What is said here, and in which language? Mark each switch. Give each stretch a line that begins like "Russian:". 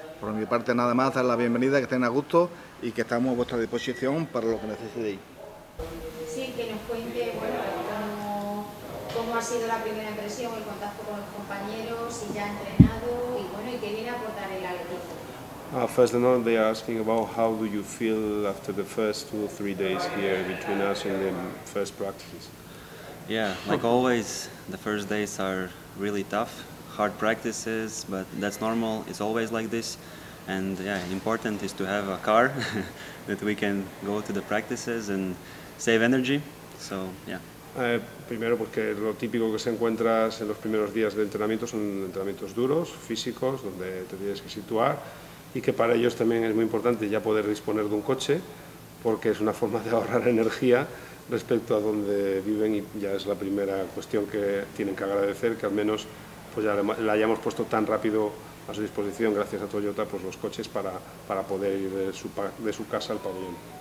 Spanish: Por mi parte, nada más, dar la bienvenida, que estén a gusto y que estamos a vuestra disposición para lo que necesitéis. Sí, que nos cuente, bueno, ¿cómo ha sido la primera impresión, el contacto con los compañeros, si ya ha entrenado y bueno, y qué viene a aportar el Atlético?
English: First of all, they are asking about how do you feel after the first two or three days here between us and the first practices. Yeah, like always, the first days are really tough, hard practices, but that's normal, it's always like this. And yeah, important is to have a car that we can go to the practices and save energy, so yeah.
Spanish: Primero porque lo típico que se encuentras en los primeros días de entrenamiento son entrenamientos duros, físicos, donde te tienes que situar y que para ellos también es muy importante ya poder disponer de un coche porque es una forma de ahorrar energía respecto a donde viven y ya es la primera cuestión que tienen que agradecer que al menos pues ya la hayamos puesto tan rápido a su disposición gracias a Toyota pues los coches para poder ir de su casa al pabellón.